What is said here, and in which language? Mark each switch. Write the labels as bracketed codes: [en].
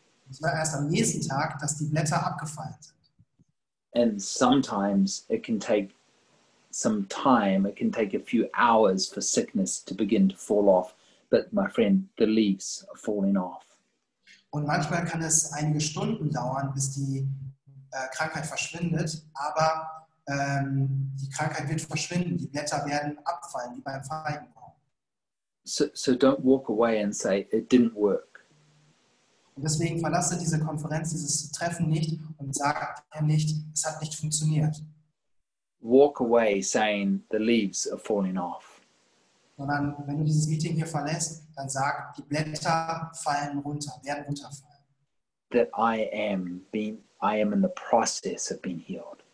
[de] Es war erst am nächsten Tag, dass die Blätter abgefallen sind. [en] And sometimes it can take some time. It can take a few hours for sickness to begin to fall off. But my friend, the leaves are falling off. [de] Und manchmal kann es einige Stunden dauern, bis die Krankheit verschwindet. Aber die Krankheit wird verschwinden. Die Blätter werden abfallen, wie beim Feigenbaum. [en] So don't walk away and say, it didn't work. [de] Und deswegen verlasse diese Konferenz, dieses Treffen nicht und sage nicht, es hat nicht funktioniert. [en] Walk away saying the leaves are falling off. [de] Sondern wenn du dieses Meeting hier verlässt, dann sag, die Blätter fallen runter, werden runterfallen. [en] That I am in the process of being healed.